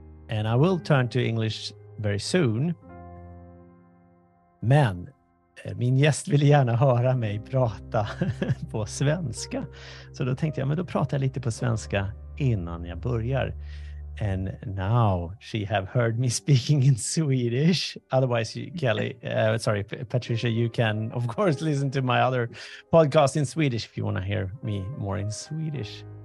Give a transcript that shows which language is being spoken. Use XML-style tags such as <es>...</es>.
<en>And I will turn to English very soon.</en> <sv>Men min gäst ville gärna höra mig prata på svenska. Så då tänkte jag, men då pratar jag lite på svenska innan jag börjar.</sv> <en>And now she have heard me speaking in Swedish. Otherwise, Patricia, you can of course listen to my other podcast in Swedish if you want to hear me more in Swedish.</en>